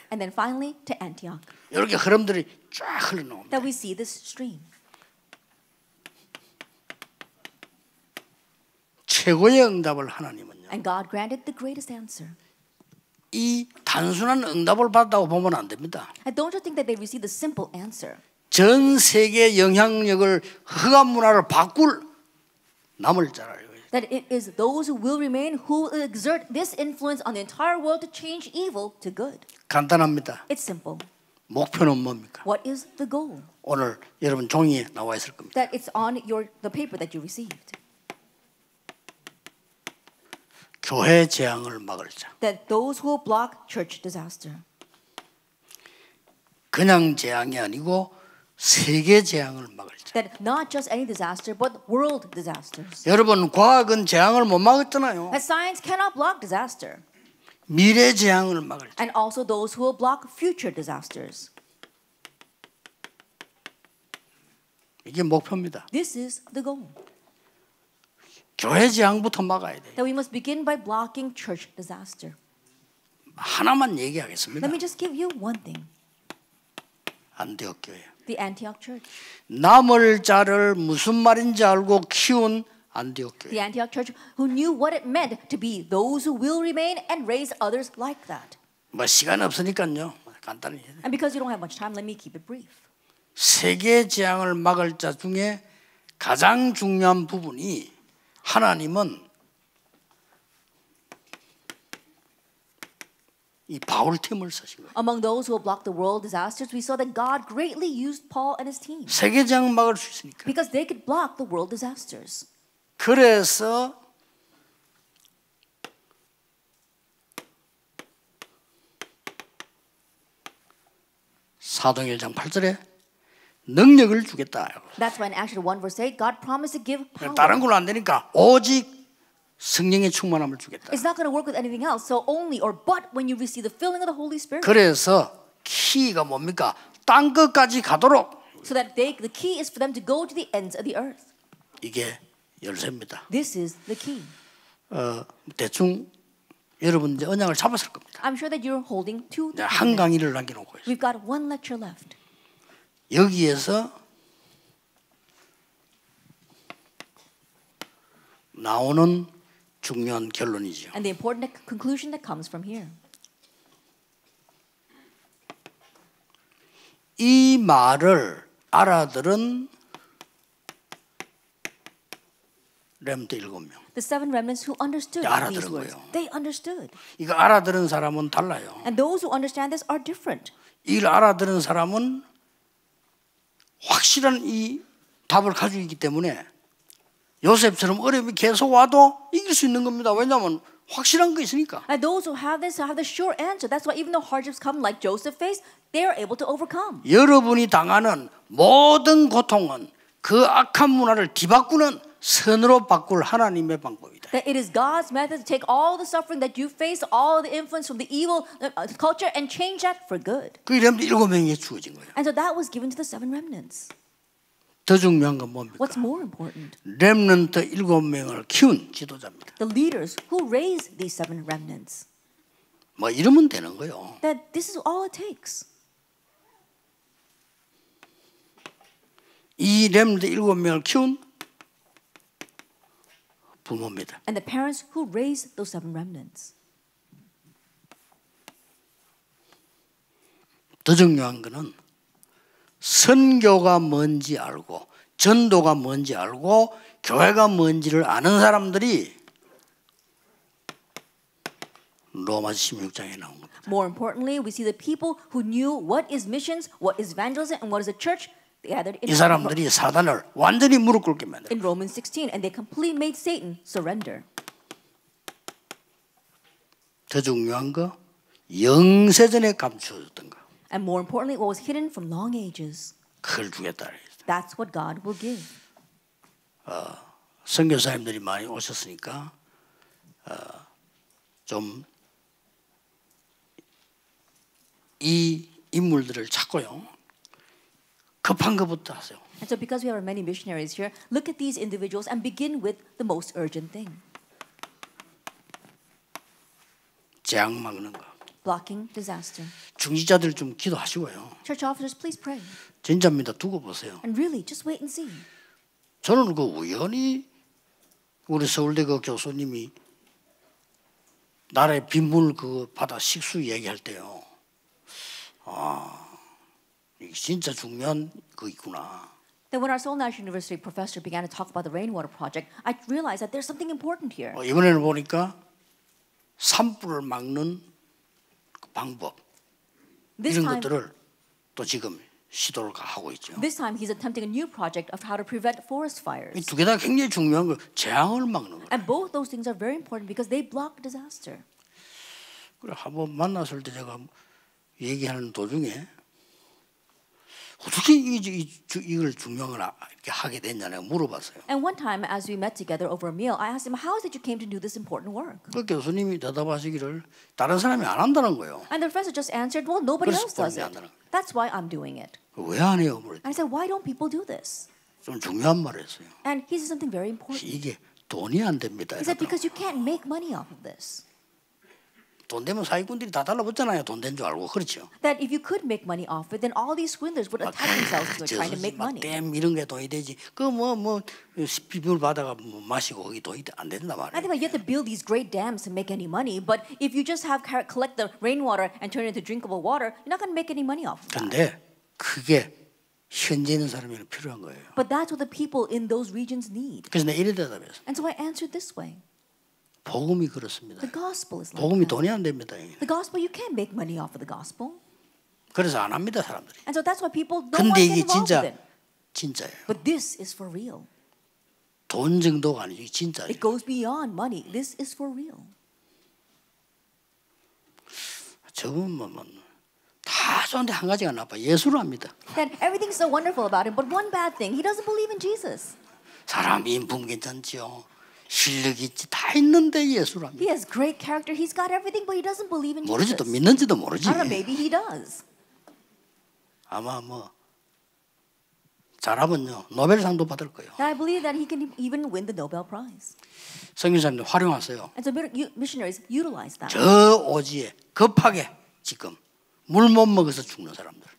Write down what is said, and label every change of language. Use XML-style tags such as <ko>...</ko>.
<en>And then finally to Antioch.</en> <ko>이렇게 흐름들이 쫙 흘러나옵니다.</ko> <en>That we see this stream.</en> <ko>최고의 응답을 하나님은요.</ko> <en>And God granted the greatest answer.</en> <ko>이 단순한 응답을 받았다고 보면 안 됩니다.</ko> <en>And don't you think that they received a simple answer?</en> <ko>전 세계 영향력을 흑암 문화를 바꿀 남을 자라요.</ko> <en>That it is those who will remain who will exert this influence on the entire world to change evil to good.</en> <ko>간단합니다.</ko> <en>It's simple.</en> <ko>목표는 뭡니까?</ko> <en>What is the goal?</en> <ko>오늘 여러분 종이에 나와 있을 겁니다.</ko> <en>That it's on your the paper that you received.</en> <ko>교회 재앙을 막을 자.</ko> <en>That those who block church disaster.</en> <ko>그냥 재앙이 아니고 세계 재앙을 막을 자.</ko> <en>That not just any disaster, but world disasters.</en> <ko>여러분 과학은 재앙을 못 막았잖아요.</ko> <en>That science cannot block disaster.</en> <ko>미래 재앙을 막을 자.</ko> <en>And also those who will block future disasters.</en> <ko>이게 목표입니다.</ko> <en>This is the goal.</en> <ko>교회 재앙부터 막아야 돼.</ko> <en>That we must begin by blocking church disaster.</en> <ko>하나만 얘기하겠습니다.</ko> <en>Let me just give you one thing.</en> <ko>안디옥 교회.</ko> <en>The Antioch Church.</en> <ko>남을 자를 무슨 말인지 알고 키운 안디옥 교회.</ko> <en>The Antioch Church, who knew what it meant to be those who will remain and raise others like that.</en> <ko>뭐 시간 없으니까요. 간단히.</ko> <en>And because you don't have much time, let me keep it brief.</en> <ko>세계 재앙을 막을 자 중에 가장 중요한 부분이 하나님은 이 바울 팀을 쓰신 거예요.</ko> <en>Among those who blocked the world disasters, we saw that God greatly used Paul and his team.</en> <ko>세계 재앙 막을 수 있으니까.</ko> <en>Because they could block the world disasters.</en> <ko>그래서 사도행전 8절에 능력을 주겠다.</ko> <en>That's why in Acts 1 verse 8, God promised to give power.</en> <ko>다른 걸로 안 되니까 오직 성령의 충만함을 주겠다.</ko> <en>It's not going to work with anything else. So only or but when you receive the filling of the Holy Spirit.</en> <ko>그래서 키가 뭡니까? 땅 끝까지 가도록.</ko> <en>So that they, the key is for them to go to the ends of the earth.</en> <ko>이게 열쇠입니다.</ko> <en>This is the key.</en> <ko>대충 여러분 이제 언약을 잡았을 겁니다.</ko> <en>I'm sure that you're holding to.</en> <ko>한 강의를 남겨놓고 있어요.</ko> <en>We've got one lecture left.</en> <ko>여기에서 나오는 중요한 결론이죠.</ko> <en>And the important conclusion that comes from here.</en> <ko>이 말을 알아들은 렘드 일곱 명.</ko> <en>The seven remnants who understood these words.</en> <ko>알아들었고요.</ko> <en>They understood.</en> <ko>이거 알아들은 사람은 달라요.</ko> <en>And those who understand this are different.</en> <ko>이걸 알아들은 사람은 확실한 이 답을 가지고 있기 때문에 요셉처럼 어려움이 계속 와도 이길 수 있는 겁니다. 왜냐하면 확실한 거 있으니까.</ko> <en>And those who have this have the sure answer. That's why even though hardships come like Joseph faced, they are able to overcome.</en> <ko>여러분이 당하는 모든 고통은 그 악한 문화를 뒤바꾸는 선으로 바꿀 하나님의 방법이다.</ko> <en>That it is God's method to take all the suffering that you face, all the influence from the evil culture, and change that for good.</en> <ko>그 렘드 일곱 명에 주어진 거예요.</ko> <en>And so that was given to the seven remnants.</en> <ko>더 중요한 건 뭡니까?</ko> <en>What's more important?</en> <ko>렘넌트 일곱 명을 키운 지도자입니다.</ko> <en>The leaders who raise these seven remnants.</en> <ko>뭐 이러면 되는 거요.</ko> <en>That this is all it takes.</en> <ko>이 렘넌트 일곱 명을 키운 부모입니다.</ko> <en>And the parents who raise those seven remnants.</en> <ko>더 중요한 거는 선교가 뭔지 알고 전도가 뭔지 알고 교회가 뭔지를 아는 사람들이 로마 16장에 나온 겁니다.</ko> <en>More importantly, we see the people who knew what is missions, what is evangelism, and what is a church gathered in.</en> <ko>이 사람들이 사단을 완전히 무릎 꿇게 만들.</ko> <en>In Romans 16, and they completely made Satan surrender.</en> <ko>더 중요한 거 영세전에 감추어졌던 거.</ko> <en>And more importantly, what was hidden from long ages.</en> <ko>그걸 주겠다.</ko> <en>That's what God will give.</en> <ko>선교사님들이 많이 오셨으니까 좀 이 인물들을 찾고요. 급한 것부터 하세요.</ko> <en>And so because we have many missionaries here, look at these individuals and begin with the most urgent thing.</en> <ko>재앙 막는 거.</ko> <en>Blocking disaster.</en> <ko>중지자들 좀 기도하시고요.</ko> <en>Church officers, please pray.</en> <ko>진짜입니다. 두고 보세요.</ko> <en>And really, just wait and see.</en> <ko>저는 그 우연히 우리 서울대 그 교수님이 나라의 빗물 그 바다 식수 얘기할 때요. 아, 이게 진짜 중요한 거 있구나.</ko> <en>Then when our Seoul National University professor began to talk about the rainwater project, I realized that there's something important here.</en> <ko>이번에는 보니까 산불을 막는 그 방법</ko> <en>this</en> <ko>이런 것들을 또 지금 시도를 하고 있죠.</ko> <en>This time he's attempting a new project of how to prevent forest fires.</en> <ko>두 개 다 굉장히 중요한 거 재앙을 막는 거.</ko> <en>And both those things are very important because they block disaster.</en> <ko>그래 한번 만났을 때 제가 얘기하는 도중에 어떻게 이걸 중요한 걸 이렇게 하게 됐냐 내가 물어봤어요.</ko> <en>And one time as we met together over a meal I asked him how is it you came to do this important work?</en> <ko>그 교수님이 대답하시기를 다른 사람이 안 한다는 거예요.</ko> <en>And the professor just answered well nobody else does it. That's why I'm doing it.</en> <ko>왜 안 해요? 그랬더니.</ko> <en>I said why don't people do this?</en> <ko>좀 중요한 말 했어요.</ko> <en>And he said something very important.</en> <ko>이게 돈이 안 됩니다.</ko> <en>He said because you can't make money off of this.</en> <ko>돈 되면 사기꾼들이 다 달라붙잖아요. 돈 된 줄 알고 그렇죠.</ko> <en>That if you could make money off it, then all these swindlers would attach themselves to it, trying to make money.</en> <ko>댐 이런 게 돈이 되지. 그 비물 바다가 뭐 마시고 거기 돈이 안 된다 말이야.</ko> <en>I think you have to build these great dams to make any money. But if you just have collect the rainwater and turn it into drinkable water, you're not going to make any money off of that.</en> <ko>근데 그게 현재 있는 사람에게 필요한 거예요.</ko> <en>But that's what the people in those regions need.</en> <ko>그래서 내가 이래 대답했어.</ko> <en>And so I answered this way.</en> <ko>복음이 그렇습니다.</ko> <en>The gospel is</en> <ko>복음이 돈이 안 됩니다.</ko> <en>The gospel you can't make money off of the gospel.</en> <ko>그래서 안 합니다 사람들이.</ko> <en>And so that's why people don't</en> <ko>근데</ko> <en>want to get involved</en> <ko>진짜, 진짜예요.</ko> <en>But this is for real.</en> <ko>돈 정도가 아니지 진짜예요.</ko> <en>It goes beyond money. This is for real.</en> <ko>저분만 다 좋은데 한 가지가 나빠 예수를 합니다.</ko> <en>And everything's so wonderful about him, but one bad thing, he doesn't believe in Jesus.</en> <ko>사람 인품 괜찮지요. 실력 있지 다 있는데 예수라.</ko> <en>He has great character. He's got everything, but he doesn't believe in Jesus.</en> <ko>모르지 또 믿는지도 모르지.</ko> <en>I don't know. Maybe he does.</en> <ko>아마 뭐 잘하면요 노벨상도 받을 거예요.</ko> <en>And I believe that he can even win the Nobel Prize.</en> <ko>선교사님들 활용하세요.</ko> <en>And so missionaries utilize that.</en> <ko>저 오지에 급하게 지금 물 못 먹어서 죽는 사람들.</ko>